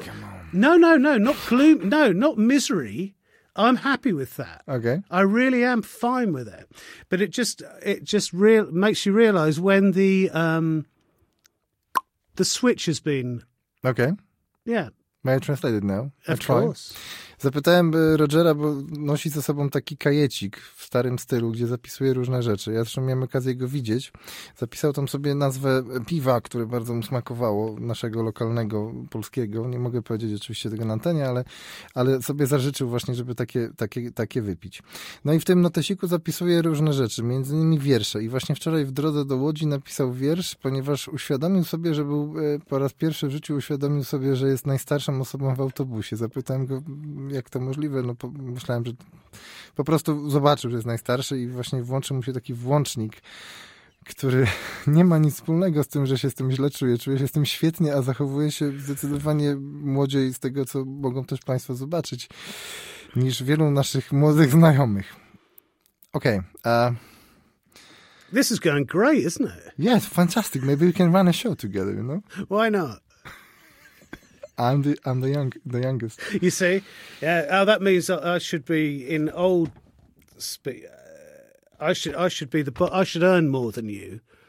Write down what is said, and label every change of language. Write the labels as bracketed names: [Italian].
[English] Come on. No, not gloom. No, not misery. I'm happy with that. Okay. I really am fine with it. But it just makes you realize when the switch has been. Okay. Yeah. May I translate it now? Of course. [Polish] Zapytałem Rogera, bo nosi ze sobą taki kajecik w starym stylu, gdzie zapisuje różne rzeczy. Ja zresztą miałem okazję go widzieć. Zapisał tam sobie nazwę piwa, które bardzo mu smakowało, naszego lokalnego, polskiego. Nie mogę powiedzieć oczywiście tego na antenie, ale sobie zażyczył właśnie, żeby takie wypić. No i w tym notesiku zapisuje różne rzeczy, między innymi wiersze. I właśnie wczoraj w drodze do Łodzi napisał wiersz, ponieważ uświadomił sobie, że był po raz pierwszy w życiu uświadomił sobie, że jest najstarszą osobą w autobusie. Zapytałem go, jak to możliwe. No myślałem, że po prostu zobaczył, że jest najstarszy i właśnie włączył mu się taki włącznik, który nie ma nic wspólnego z tym, że się z tym źle czuje. Czuję się z tym świetnie, a zachowuje się zdecydowanie młodziej z tego, co mogą też Państwo zobaczyć, niż wielu naszych młodych znajomych. Okej. [English] This is going great, isn't it? Yeah, it's fantastic. Maybe we can run a show together, you know? Why not? I'm the youngest. You see? Yeah, oh, that means that I should be in old speed. I should earn more than you.